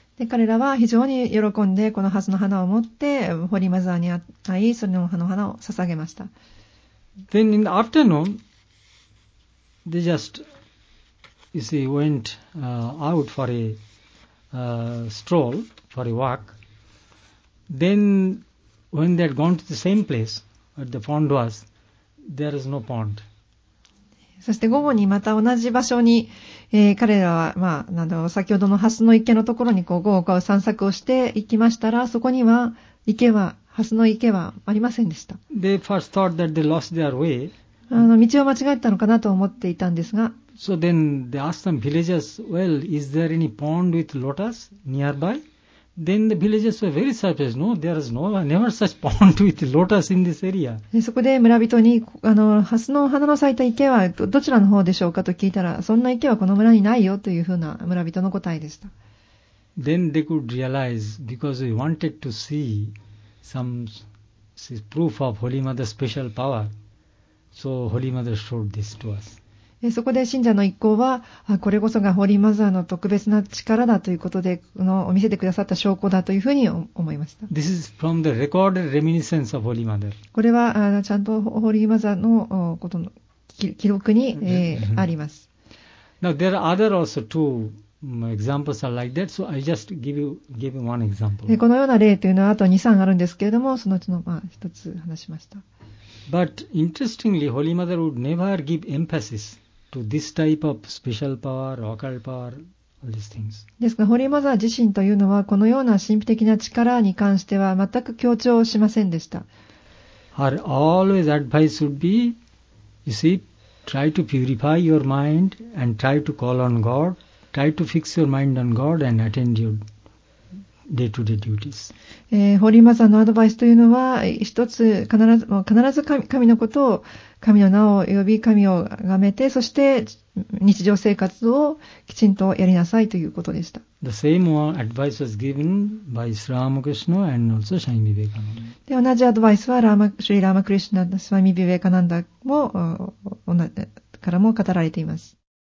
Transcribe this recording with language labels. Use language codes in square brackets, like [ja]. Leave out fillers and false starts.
[ja] で彼らは非常に喜んでこのハスの花を持ってホーリーマザーに会いその花の花を捧げました。 [en] Then in the afternoon, they just, you see, went out for a stroll, for a walk. Then when they had gone to the same place where the pond was, there is no pond. [ja] そして午後にまた同じ場所に、彼らは、まあ、なんだろう、先ほどのハスの池のところにこう午後から散策をしていきましたら、そこには池はハスの池はありませんでした。 [en] They first thought that they lost their way. [ja] 道を間違えたのかなと思っていたんですが。 [en] So then they asked some villagers, well, is there any pond with lotus nearby? Then the villagers were very surprised. No, there is no, never such pond with lotus in this area. [ja] そこで村人にハスの花の咲いた池はどちらの方でしょうかと聞いたら、そんな池はこの村にないよというふうな村人の答えでした。 [en] Then they could realize because they wanted to see. Some proof of Holy Mother's special power. So Holy Mother showed this to us. [ja] そこで信者の一行は、これこそがホーリーマザーの特別な力だということで、このお見せてくださった証拠だというふうに思いました。 [en] This is from the recorded reminiscence of Holy Mother. [ja] これはちゃんとホーリーマザーのことの記録に、あります。 [en] Now there are other also two examples are like that, so I just give you one example. [ja] このような例というのはあと 2,3 あるんですけれども、そのうちの、まあ、一つ話しました。 [en] But interestingly, Holy Mother would never give emphasis to this type of special power, occult power, all these things. [ja] ですが、ホリーマザー自身というのはこのような神秘的な力に関しては全く強調しませんでした。 [en] Her always advice would be, you see, try to purify your mind and try to call on God, try to fix your mind on God and attend your day-to-day duties. [ja] ホリーマザーのアドバイスというのは、一つ必ず神のことを、神の名を呼び、神をあがめて、そして日常生活をきちんとやりなさいということでした。 [en] The same advice was given by Sri Ramakrishna and also Swami Vivekananda. [ja] で、同じアドバイスはラーマ、シュリー・ラーマクリシュナ、スワミ・ビベカナンダも、からも語られています。